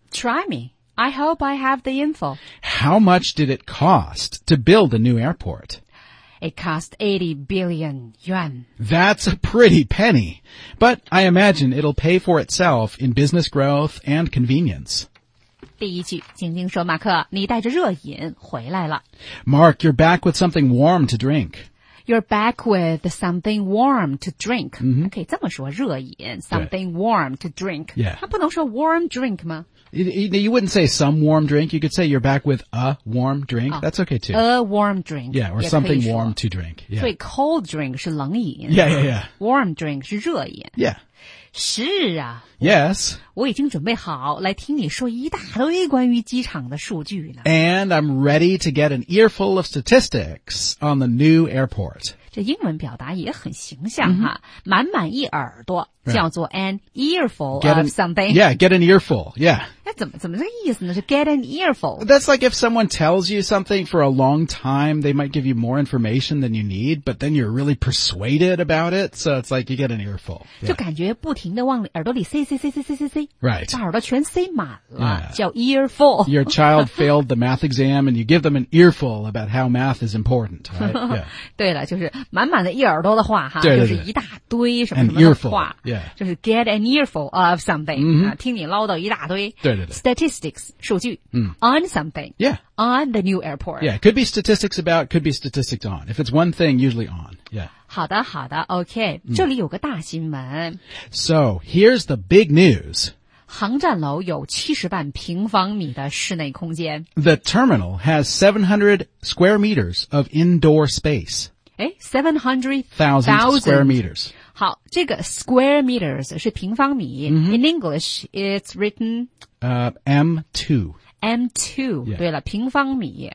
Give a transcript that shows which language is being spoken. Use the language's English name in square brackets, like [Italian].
[English] Try me. I hope I have the info. How much did it cost to build a new airport? It cost 80 billion yuan. That's a pretty penny. But I imagine it'll pay for itself in business growth and convenience. [Chinese] 第一句，晶晶说，马克，你带着热饮回来了。 [English] Mark, you're back with something warm to drink. You're back with something warm to drink. Mm-hmm. [Chinese] 可以这么说，热饮 [English] something、yeah. warm to drink. Yeah. [Chinese] 它不能说 [English] warm drink [Chinese] 吗？ [English] You wouldn't say some warm drink. You could say you're back with a warm drink.、 Oh, That's okay, too. A warm drink. Yeah, or something warm to drink. Yeah. [Chinese] 所以 cold drink 是冷饮。 [English] Yeah, yeah, yeah. [Chinese] Warm drink 是热饮。 [English] Yeah. [Chinese] 是啊。 [English] Yes. [Chinese] 我已经准备好来听你说一大堆关于机场的数据呢。 [English] And I'm ready to get an earful of statistics on the new airport. [Chinese] 这英文表达也很形象哈、mm-hmm. 满满一耳朵。叫做 [English] an earful of something. Yeah, get an earful. Yeah. [Chinese] 那怎么这个意思呢？是 [English] get an earful. That's like if someone tells you something for a long time, they might give you more information than you need, but then you're really persuaded about it. So it's like you get an earful.、Yeah. [Chinese] 就感觉不停地往耳朵里塞塞塞塞塞塞塞。 [English] Right. [Chinese] 把耳朵全塞满了、yeah. 叫 earful. [English] Your child failed the math exam and you give them an earful about how math is important. Right? Yeah. [Chinese] 对了就是满满的一耳朵的话哈对对对就是一大堆什么什么的话。 [English] An earful. Yeah. 就是 get an earful of something,、 mm-hmm. [Chinese] 啊、听你唠叨一大堆。对对对。 Statistics, 数据、 mm. [English] on something. Yeah. On the new airport. Yeah, could be statistics about, could be statistics on. If it's one thing, usually on. Yeah. [Chinese] 好的好的 ,OK,、mm. 这里有个大新闻。 [English] So, here's the big news. [Chinese] 航站楼有70万平方米的室内空间。 [English] The terminal has 700 square meters of indoor space. 700,000 square meters. [Chinese] 好，这个 square meters 是平方米。 Mm-hmm. [English] In English, it's written... M2. [Chinese] M2, 对了，平方米、